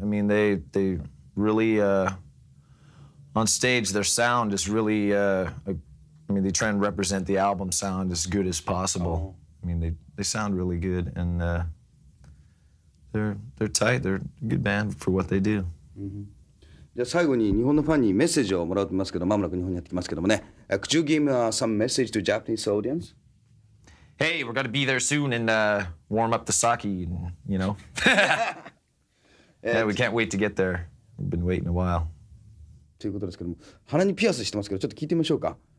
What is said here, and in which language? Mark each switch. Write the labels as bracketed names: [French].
[English] I mean, they really, on stage, their sound is really, I mean, they try and represent the album sound as good as possible. Oh. I mean, they sound really good, and they're tight. They're a good band for what they do. [Japanese] Mm-hmm. じゃあ最後に日本のファンにメッセージをもらってますけど、まもなく日本にやってきますけどもね。 [English] Could you give some message to Japanese audience? Hey, we're gonna be there soon and warm up the sake, and, you know. Yeah, we can't wait to get there. We've been waiting a while. [Japanese] ということですけども、鼻にピアスしてますけど、ちょっと聞いてみましょうか。